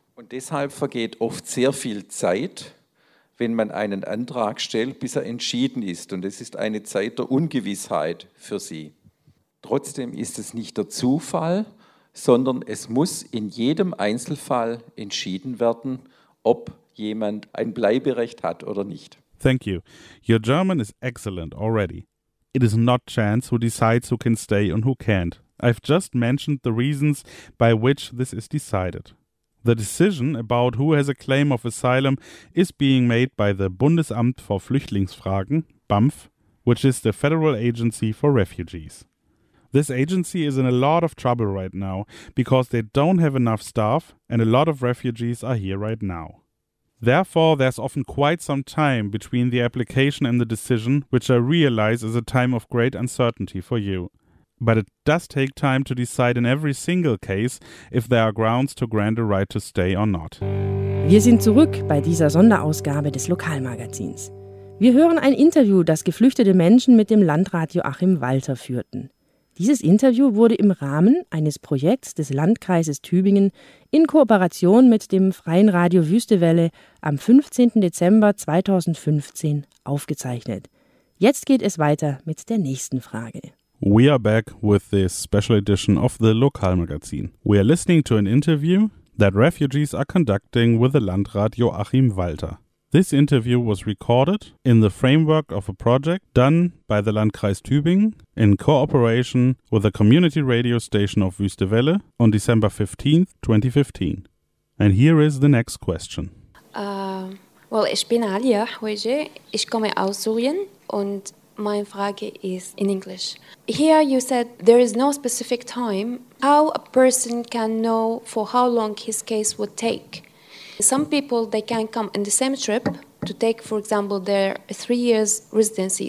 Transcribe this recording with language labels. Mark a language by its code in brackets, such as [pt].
[de] Und deshalb vergeht oft sehr viel Zeit, wenn man einen Antrag stellt, bis er entschieden ist. Und es ist eine Zeit der Ungewissheit für sie. Trotzdem ist es nicht der Zufall, sondern es muss in jedem Einzelfall entschieden werden, ob jemand ein Bleiberecht hat oder nicht. [en] Thank you. Your German is excellent already. It is not chance who decides who can stay and who can't. I've just mentioned the reasons by which this is decided. The decision about who has a claim of asylum is being made by the Bundesamt für Flüchtlingsfragen, BAMF, which is the federal agency for refugees. This agency is in a lot of trouble right now because they don't have enough staff and a lot of refugees are here right now. Therefore, there's often quite some time between the application and the decision, which I realize is a time of great uncertainty for you. But it does take time to decide in every single case if there are grounds to grant a right to stay or not. [de] Wir sind zurück bei dieser Sonderausgabe des Lokalmagazins. Wir hören ein Interview, das geflüchtete Menschen mit dem Landrat Joachim Walter führten. Dieses Interview wurde im Rahmen eines Projekts des Landkreises Tübingen in Kooperation mit dem Freien Radio Wüstewelle am 15. Dezember 2015 aufgezeichnet. Jetzt geht es weiter mit der nächsten Frage. [en] We are back with this special edition of the Lokalmagazin. We are listening to an interview that refugees are conducting with the Landrat Joachim Walter. This interview was recorded in the framework of a project done by the Landkreis Tübingen in cooperation with the community radio station of Wüstewelle on December 15, 2015. And here is the next question. [de] Ich bin Alia heute. Ich komme aus Syrien und meine Frage ist in English. [en] Here you said there is no specific time. How a person can know for how long his case would take? Some people, they can come in the same trip to take, for example, their 3 years residency.